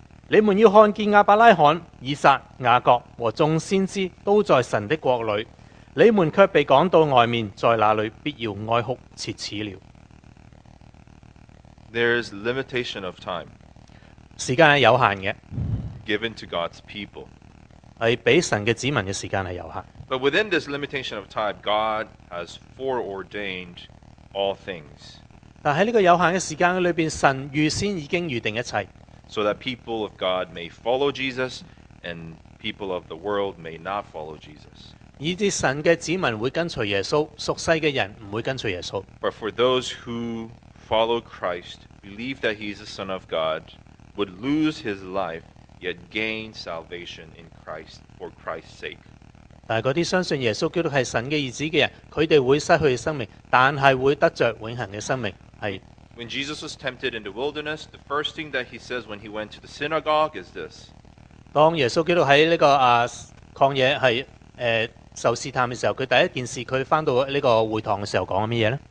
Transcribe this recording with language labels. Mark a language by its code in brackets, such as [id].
[zh] 你们要看见亚伯拉罕、以撒、雅各和众先知都在神的国里，你们却被赶到外面，在那里必要哀哭切齿了。 [en] There is limitation of time. [zh] 时间是有限的。 [en] Given to God's people. [zh] 是给神的子民的时间是有限。 [en] But within this limitation of time, God has foreordained all things. [zh] 但在这个有限的时间里面，神预先已经预定一切。 [en] So that people of God may follow Jesus, and people of the world may not follow Jesus. [zh] 以致神的子民会跟随耶稣，属世的人不会跟随耶稣。 [en] But for those who follow Christ, believe that he is the Son of God,would lose his life yet gain salvation in Christ for Christ's sake. [zh] 但是那些相信耶稣基督是神的儿子的人，他们会失去生命，但是会得着永恒的生命，是 [en] When Jesus was tempted in the wilderness, the first thing that he says when he went to the synagogue is this. [zh] 当耶稣基督在这个旷野是受试探的时候，他第一件事他回到这个会堂的时候讲什么呢？